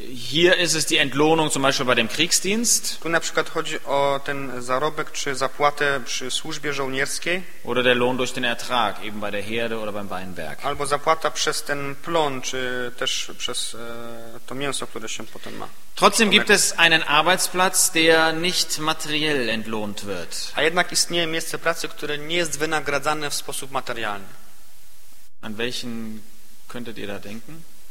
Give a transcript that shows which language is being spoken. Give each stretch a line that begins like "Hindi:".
German: Hier ist es die Entlohnung zum Beispiel bei dem Kriegsdienst.
Polish: Tu na przykład chodzi o ten zarobek czy zapłatę przy służbie żołnierskiej.
German: Oder der Lohn durch den Ertrag, eben bei der Herde oder beim Weinberg.
Polish: Albo zapłata przez ten plon, czy też przez to mięso, które się potem ma.
German: Trotzdem gibt es einen Arbeitsplatz, der nicht materiell entlohnt wird.
Polish: A jednak istnieje miejsce pracy, które nie jest wynagradzane w sposób materialny.
German: An welchen könntet ihr da denken?